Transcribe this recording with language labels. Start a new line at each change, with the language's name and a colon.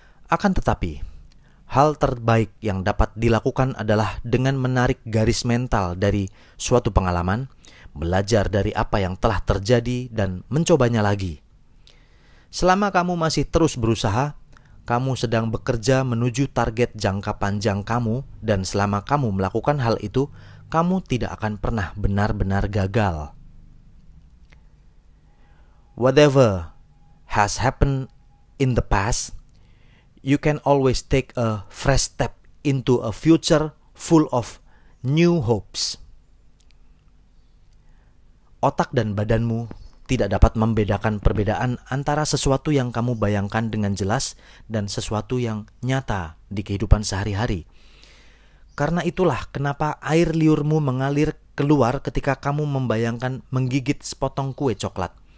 Indonesian: Akan tetapi, hal terbaik yang dapat dilakukan adalah dengan menarik garis mental dari suatu pengalaman, belajar dari apa yang telah terjadi, dan mencobanya lagi. Selama kamu masih terus berusaha, kamu sedang bekerja menuju target jangka panjang kamu, dan selama kamu melakukan hal itu, kamu tidak akan pernah benar-benar gagal.
English: Whatever has happened in the past, you can always take a fresh step into a future full of new hopes.
Indonesian: Otak dan badanmu tidak dapat membedakan perbedaan antara sesuatu yang kamu bayangkan dengan jelas dan sesuatu yang nyata di kehidupan sehari-hari. Karena itulah kenapa air liurmu mengalir keluar ketika kamu membayangkan menggigit sepotong kue coklat.